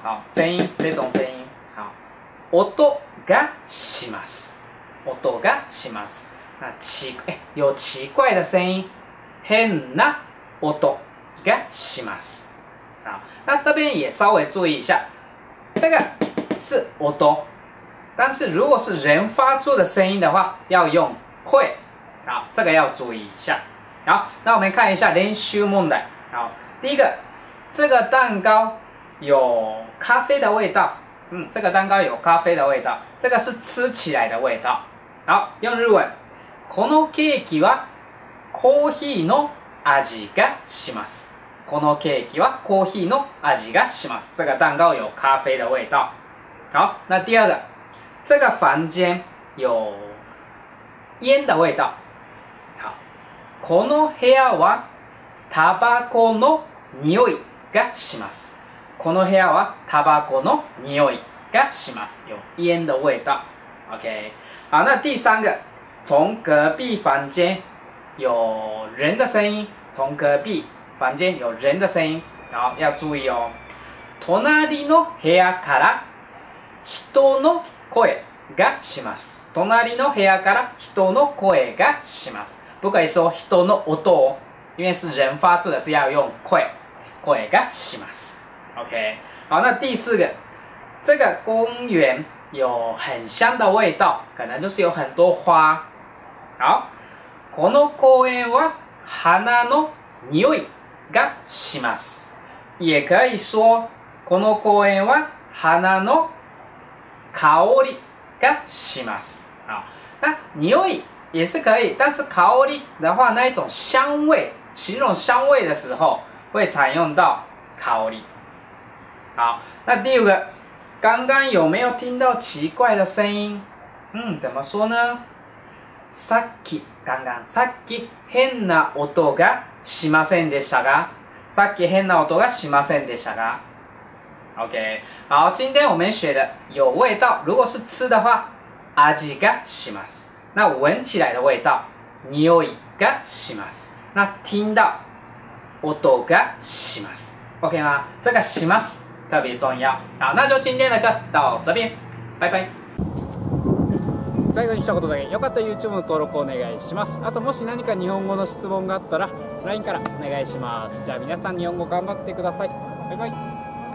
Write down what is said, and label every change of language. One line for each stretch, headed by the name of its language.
Chinese: 好，声音，这种声音，好，
Japanese: 音がします，音がします。
Chinese: 那有奇怪的声音，
Japanese: 変な音がします。
Chinese: 好，那这边也稍微注意一下，这个是音，但是如果是人发出的声音的话要用声。好，这个要注意一下。好，那我们看一下練習問題。好，第一个，这个蛋糕有咖啡的味道，这个蛋糕有咖啡的味道，这个是吃起来的味道。
Japanese: 好，用日文このケーキはコーヒーの味がします，このケーキはコーヒーの味がします，
Chinese: 这个蛋糕有咖啡的味道。好，那第二个，这个房间有烟的味道。
Japanese: 好，この部屋はタバコの匂いがします，この部屋はタバコの匂いがします，
Chinese: 有烟的味道。 OK。好，那第三个，从隔壁房间有人的声音，从隔壁房间有人的声音，好，要注意哦，
Japanese: 隣の部屋から人の声がします，隣の部屋から人の声がします。
Chinese: 不可以说
Japanese: 人の音哦，
Chinese: 因为是人发出的，是要用声，
Japanese: 声がします。 OK。
Chinese: 好，那第四个，这个公园有很香的味道，可能就是有很多花。
Japanese: 好，この公園は花の匂いがします，
Chinese: 也可以说
Japanese: この公園は花の香りがします。
Chinese: 好，那匂い也是可以，但是香り的话，那一种香味，形容香味的时候会常用到香り。好，那第五个，刚刚有没有听到奇怪的声音？怎么说呢？
Japanese: さっき、
Chinese: 刚刚、
Japanese: さっき変な音がしませんでしたが、さっき変な音がしませんでしたが。
Chinese: OK。 好，今天我们学的有味道，如果是吃的话，
Japanese: 味がします。
Chinese: 那闻起来的味道，
Japanese: 匂いがします。
Chinese: 那听到，
Japanese: 音がします。
Chinese: OK 吗？这个
Japanese: します
Chinese: 特别重要。好，那就今天的课到这边，拜拜。
Japanese: 最後に一言だけ、よかったら YouTube の登録をお願いします。あと、もし何か日本語の質問があったら LINE からお願いします。じゃあ皆さん日本語頑張ってください。バイバイ。